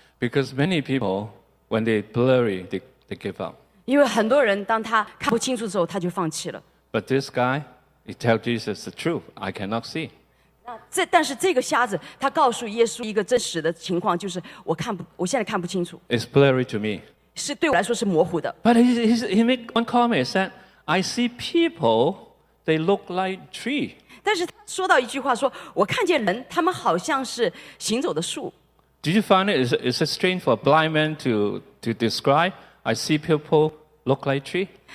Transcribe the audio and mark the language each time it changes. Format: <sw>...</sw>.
<en>Because many people when they blurry they give up</en> <zh>因为很多人当他看不清楚的时候他就放弃了</zh> <en>But this guy he tells Jesus the truth I cannot see</en> <zh>但是这个瞎子他告诉耶稣一个真实的情况就是我现在看不清楚</zh> <en>It's blurry to me</en> <zh>是对我来说是模糊的</zh> <en>But he made one comment said I see people they look like tree</en> <zh>但是他说到一句话说我看见人他们好像是行走的树</zh> <en>Did you find it is a strange for a blind man to describe I see people look like tree</en>